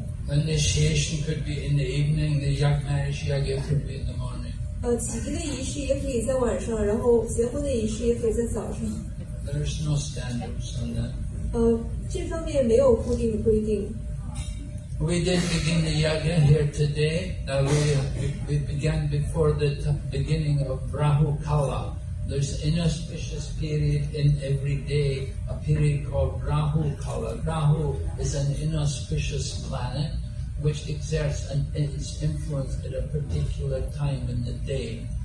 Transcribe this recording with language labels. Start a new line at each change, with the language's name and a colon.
English: Initiation could be in the evening, the marriage yagya could be in the morning.
Chinese: 起立的仪式也可以在晚上，然后结婚的仪式也可以在早上。There
English: is no standards on that.
Chinese: 这方面没有固定规定。We
English: did begin the yagya here today. We began before the beginning of Rahu Kala. There's inauspicious period in every day, a period called Rahu Kala. Rahu is an inauspicious planet, which exerts its influence at a particular time in the day.